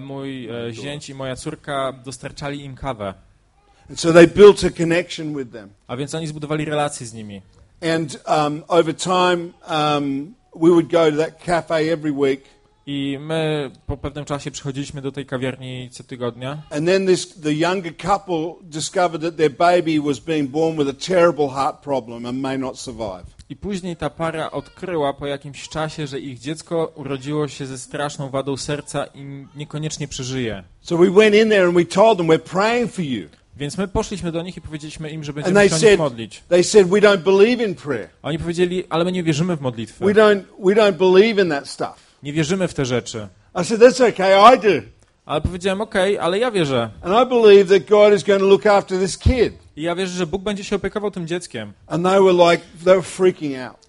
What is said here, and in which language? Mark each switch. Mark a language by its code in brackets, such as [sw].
[pl] mój zięć i moja córka dostarczali im kawę. [en] And so they built a connection with them. [pl] A więc oni zbudowali relacje z nimi. [en] And over time we would go to that cafe every week. [pl] I my po pewnym czasie przychodziliśmy do tej kawiarni co tygodnia. [en] And then the younger couple discovered that their baby was being born with a terrible heart problem and may not survive. [pl] I później ta para odkryła po jakimś czasie, że ich dziecko urodziło się ze straszną wadą serca i niekoniecznie przeżyje. [en] So we went in there and we told them we're praying for you. [pl] Więc my poszliśmy do nich i powiedzieliśmy im, że będziemy się o nich modlić. [en] They said, we don't believe in prayer. [pl] Oni powiedzieli, ale my nie wierzymy w modlitwę. [en] We don't believe in that stuff. [pl] Nie wierzymy w te rzeczy. [en] I said, that's okay, I do. [pl] Ale powiedziałem, okej, okay, ale ja wierzę. [en] And I believe that God is going to look after this kid. [pl] I ja wierzę, że Bóg będzie się opiekował tym dzieckiem. [en] And they were freaking out.